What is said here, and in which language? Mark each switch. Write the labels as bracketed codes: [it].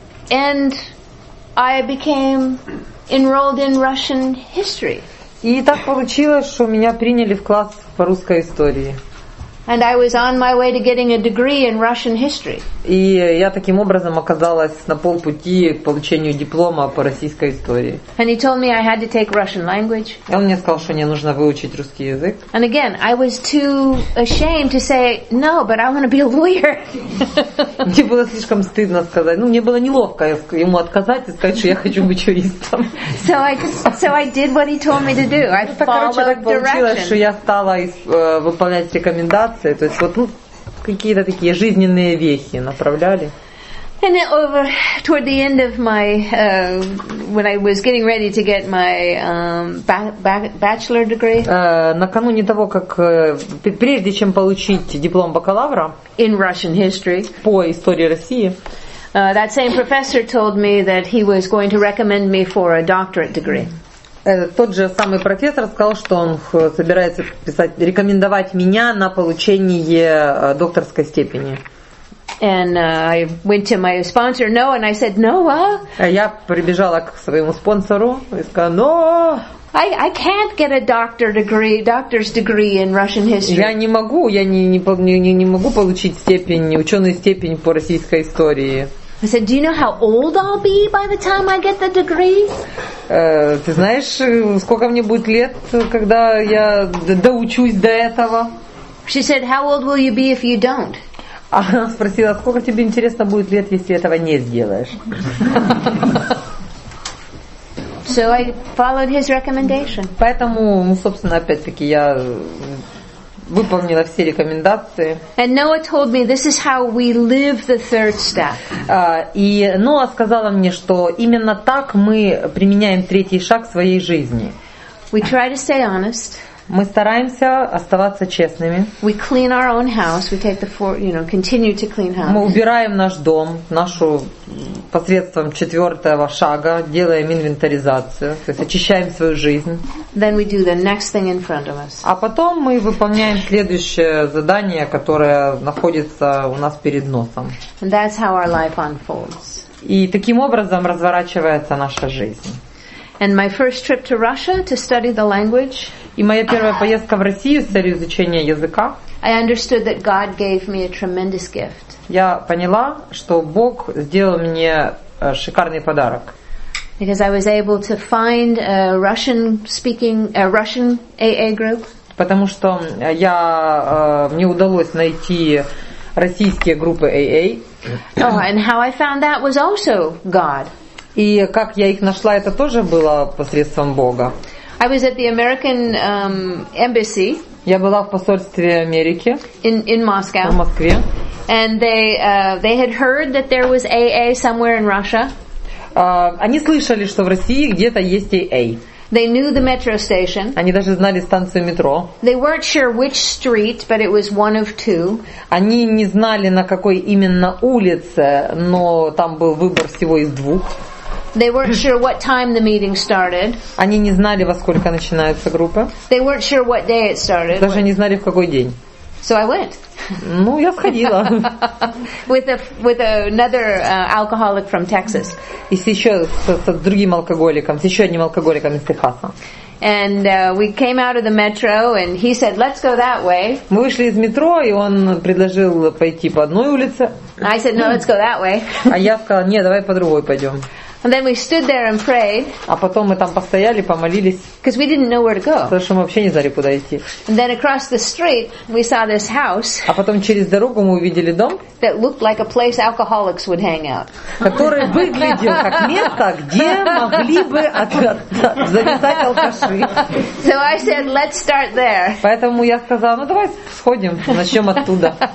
[en] And I became enrolled in Russian history. [ru] И так получилось, что меня приняли в класс по русской истории. [en] And I was on my way to getting a degree in Russian history. [ru] И я таким образом оказалась на полпути к получению диплома по российской истории. [en] And he told me I had to take Russian language. [ru] И он мне сказал, что мне нужно выучить русский язык. [en] And again, I was too ashamed to say no, but I want to be a lawyer. [ru] Мне было слишком стыдно сказать. Ну, мне было неловко ему отказать и сказать, что я хочу быть юристом. [en] So I did what he told me to do. I followed directions. [ru] Так получилось, что я стала выполнять рекомендации. То есть вот какие-то такие жизненные вехи направляли. [en] And over toward the end of my when I was getting ready to get my bachelor degree. [ru] Накануне того, как прежде чем получить диплом бакалавра [en] in Russian history [ru] по истории России. [en] That same professor told me that he was going to recommend me for a doctorate degree. [ru] Тот же самый профессор сказал, что он собирается писать, рекомендовать меня на получение докторской степени. [en] And I went to my sponsor, no, and I said, no, [ru] Я прибежала к своему спонсору и сказала, [en] no. I can't get a doctor's degree in Russian history. [ru] Я не могу, я не могу получить степень, ученую степень по российской истории. [en] I said, "Do you know how old I'll be by the time I get the degree?" [ru] Ты знаешь, сколько мне будет лет, когда я доучусь до этого? [en] She said, "How old will you be if you don't?" [ru] Она спросила, сколько тебе интересно будет лет, если этого не сделаешь? [en] So I followed his recommendation. [ru] Поэтому, ну, собственно, опять-таки я выполнила все рекомендации. [en] And Noah told me this is how we live the third step. [ru] И Ноа сказала мне, что именно так мы применяем третий шаг в своей жизни. [en] We try to stay honest. [ru] Мы стараемся оставаться честными. [en] We clean our own house. We take the four, you know, continue to clean house. [ru] Мы убираем наш дом, нашу посредством четвертого шага делаем инвентаризацию, то есть очищаем свою жизнь. [en] Then we do the next thing in front of us. [ru] А потом мы выполняем следующее задание, которое находится у нас перед носом. [en] And that's how our life unfolds. [ru] И таким образом разворачивается наша жизнь. [en] And my first trip to Russia to study the language. [ru] И моя первая поездка в Россию с целью изучения языка. [en] I understood that God gave me a tremendous gift. [ru] Я поняла, что Бог сделал мне шикарный подарок. [en] Because I was able to find a Russian speaking a Russian AA group. [ru] Потому что я мне удалось найти российские группы AA. [en] Oh, and how I found that was also God. [ru] И как я их нашла, это тоже было посредством Бога. [en] I was at the American embassy. [ru] Я была в посольстве Америки. [en] In Moscow. [ru] В Москве. [en] And they had heard that there was AA somewhere in Russia. [ru] Они слышали, что в России где-то есть AA. [en] They knew the metro station. [ru] Они даже знали станцию метро. [en] They weren't sure which street, but it was one of two. [ru] Они не знали, на какой именно улице, но там был выбор всего из двух. [en] They weren't sure what time the meeting started. [ru] Они не знали, во сколько начинается группа. [en] They weren't sure what day it started. [ru] Даже не знали, в какой день. [en] So I went. [ru] Ну, я сходила. [en] With another alcoholic from Texas. [ru] И еще с другим алкоголиком, с еще одним алкоголиком из Техаса. [en] And we came out of the metro, and he said, "Let's go that way." [ru] Мы вышли из метро, и он предложил пойти по одной улице. [en] I said, "No, let's go that way." [ru] А я сказала, "Нет, давай по другой пойдем." [en] And then we stood there and prayed. [ru] А потом мы там постояли, помолились. [en] Because we didn't know where to go. [ru] Потому что мы вообще не знали, куда идти. [en] And then across the street we saw this house. [ru] А потом через дорогу мы увидели дом. [en] That looked like a place alcoholics would hang out. [ru] Который выглядел как место, где могли бы зависать алкаши. [en] So I said, let's start there. [ru] Поэтому я сказала, ну давай сходим, начнем оттуда.